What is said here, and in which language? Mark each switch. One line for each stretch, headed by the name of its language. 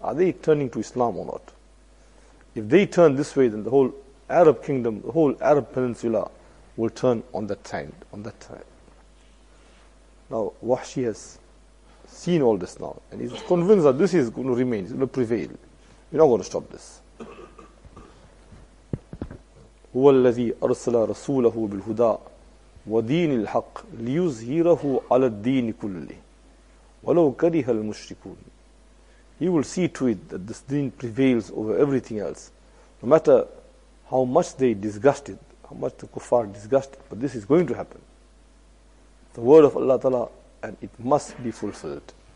English: Are they turning to Islam or not? If they turn this way, then the whole Arab kingdom, the whole Arab peninsula will turn on that time. Now, Wahshi has seen all this now, and he's convinced that this is going to remain, it's going to prevail. We're not going to stop this.
Arabic: هو الذي أرسل رسوله بالهدى ودين الحق ليظهره على الدين كله ولو كره المشركون.
English: He will see to it that this deen prevails over everything else, no matter how much they disgust it, how much the kuffar disgust it, but this is going to happen. The word of Allah Ta'ala, and it must be fulfilled.